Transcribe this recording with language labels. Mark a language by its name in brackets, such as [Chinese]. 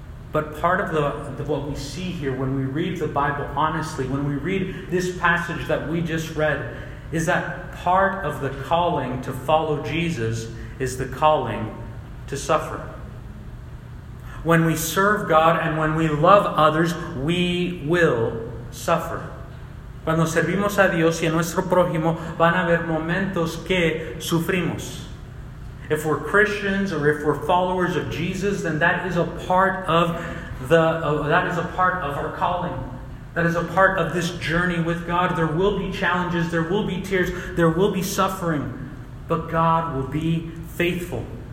[English] But part of the what we see here when we read the Bible honestly, when we read this passage that we just read, is that part of the calling to follow Jesus is the calling to suffer. When we serve God and when we love others, we will suffer. [Spanish] Cuando servimos a Dios y a nuestro prójimo, van a haber momentos que sufrimos. [English] If we're Christians or if we're followers of Jesus, then that is a part of our calling. That is a part of this journey with God. There will be challenges, there will be tears, there will be suffering, but God will be faithful.